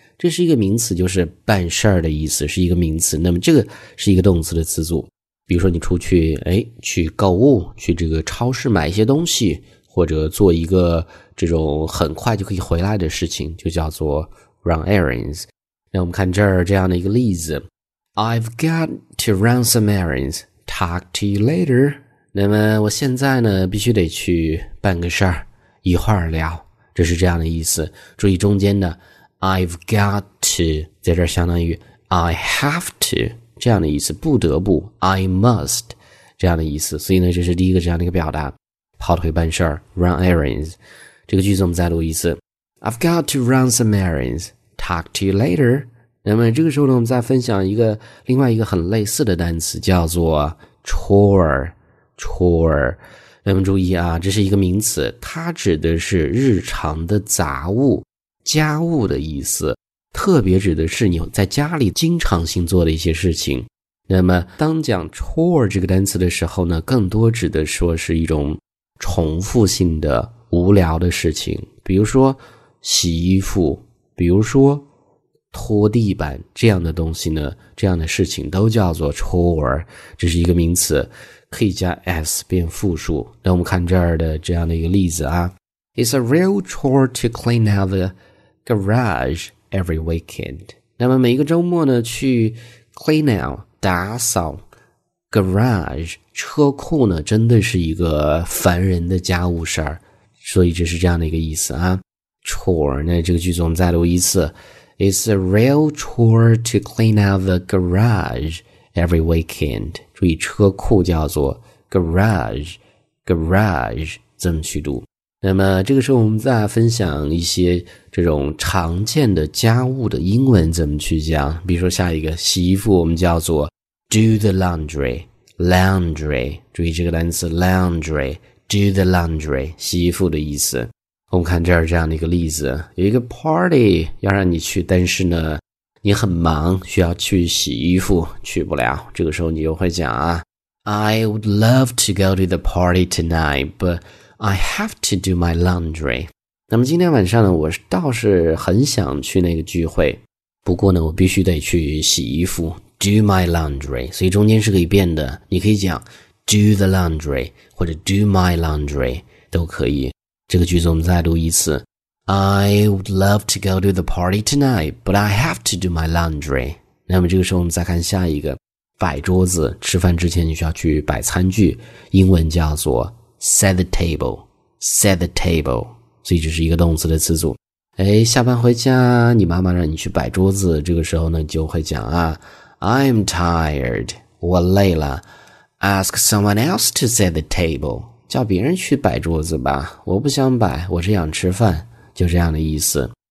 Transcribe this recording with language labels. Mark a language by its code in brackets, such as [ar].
[zh] 这是一个名词，就是办事儿的意思，是一个名词。那么这个是一个动词的词组。比如说你出去，哎，去购物，去这个超市买一些东西，或者做一个这种很快就可以回来的事情，就叫做 [en] run errands。 [zh] 那我们看这儿这样的一个例子。 [en] I've got to run some errands. Talk to you later. [zh] 那么我现在呢必须得去办个事儿，一会儿聊。这是这样的意思。注意中间的 [en] I've got to, [zh] 在这儿相当于 [en] I have to。 [zh] 这样的意思，不得不 [en] I must [zh] 这样的意思，所以呢这是第一个这样的一个表达，跑腿办事 [en] run errands。 [zh] 这个句子我们再读一次， [en] I've got to run some errands, talk to you later。 [zh] 那么这个时候呢我们再分享一个另外一个很类似的单词，叫做 chore, chore。那么注意啊，这是一个名词，它指的是日常的杂物，家务的意思，特别指的是你在家里经常性做的一些事情。那么当讲 chore 这个单词的时候呢，更多指的说是一种重复性的无聊的事情，比如说洗衣服，比如说拖地板，这样的东西呢，这样的事情都叫做 chore。这是一个名词，可以加 s 变复数。那我们看这儿的这样的一个例子啊， [en] It's a real chore to clean out the garageEvery weekend. [zh] 那么每一个周末呢，去 [en] clean out, [zh] 打扫 garage, 车库呢，真的是一个烦人的家务事儿。所以这是这样的一个意思啊。Chore, 那这个句子我们再读一次。 [en] It's a real chore to clean out the garage every weekend. [zh] 注意车库叫做 garage, garage, 这么去读。那么这个时候我们再分享一些这种常见的家务的英文怎么去讲。比如说下一个，洗衣服我们叫做 [en] do the laundry, [zh] laundry, 注意这个单词 laundry, do the laundry, 洗衣服的意思。我们看这儿这样的一个例子，有一个 party 要让你去，但是呢你很忙，需要去洗衣服，去不了，这个时候你就会讲啊， [en] I would love to go to the party tonight, butI have to do my laundry. [zh] 那么今天晚上呢，我倒是很想去那个聚会，不过呢我必须得去洗衣服， [en] do my laundry. [zh] 所以中间是可以变的，你可以讲 [en] do the laundry [zh] 或者 [en] do my laundry [zh] 都可以。这个句子我们再读一次， [en] I would love to go to the party tonight, but I have to do my laundry. [zh] 那么这个时候我们再看下一个，摆桌子，吃饭之前你需要去摆餐具，英文叫做 [en] set the table, [zh] set the table, 所以这是一个动词的词组。哎，下班回家，你妈妈让你去摆桌子，这个时候呢，就会讲啊， [en] I'm tired, [zh] 我累了， [en] ask someone else to set the table, [zh] 叫别人去摆桌子吧，我不想摆，我是想吃饭，就这样的意思。